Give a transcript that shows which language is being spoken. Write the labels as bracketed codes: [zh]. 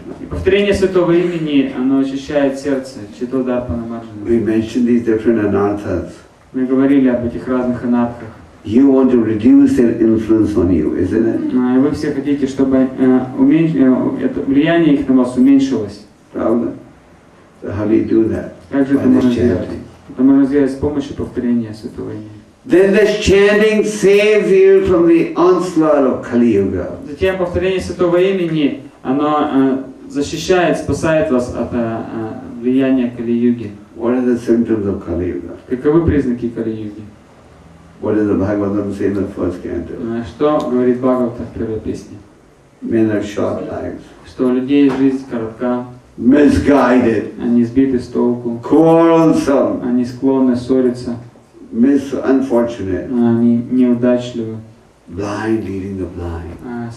[ru] Повторение святого имени, оно очищает сердце. [en] We mentioned these different anarthas. [ru] Мы говорили об этих разных анартхах. [en] You want to reduce their influence on you, isn't it? [ru] Вы все хотите, чтобы это влияние их на вас уменьшилось. Правда? [en] So how do you do that? [ru] Как же это можно сделать? Это можно сделать с помощью повторения святого имени. [en] Then the chanting saves you from the onslaught of Kali Yuga. [ru] Затем повторение святого имени, оно защищает, спасает вас от влияния Кали Юги. [en] What are the symptoms of Kali Yuga? [ru] Каковы признаки Кали Юги? [en] What does the Bhagavatam say in the first canto? [ru] Что говорит Бхагавата в первой песне? [en] Men are short lives. [ru] Что у людей жизнь коротка. [en] Misguided. [ru] Они сбиты с толку. [en] Quarrelsome. [ru] Они склонны ссориться. [en] Unfortunate. [ru] Они неудачливы. [en] Blind leading the blind.